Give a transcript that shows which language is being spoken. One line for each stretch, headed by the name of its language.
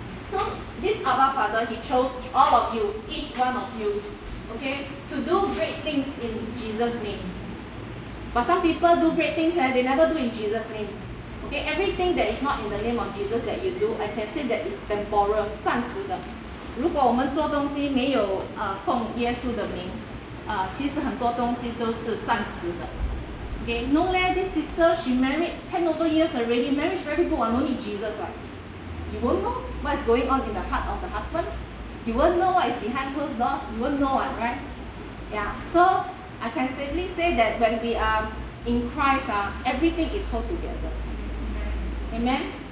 English: So this Abba Father, He chose all of you, each one of you, okay, to do great things in Jesus' name. But some people do great things and they never do in Jesus' name. Okay, everything that is not in the name of Jesus that you do, I can say that is temporal, 暂时的.
Chinese: 如果我们做东西没有奉耶稣的名，其实很多东西都是暂时的。
English: Okay, no leh, this sister, she married 10 over years already. Marriage very good, no need Jesus, right? You won't know what is going on in the heart of the husband. You won't know what is behind closed doors. You won't know, right? Yeah, so I can safely say that when we are in Christ, everything is held together. Amen?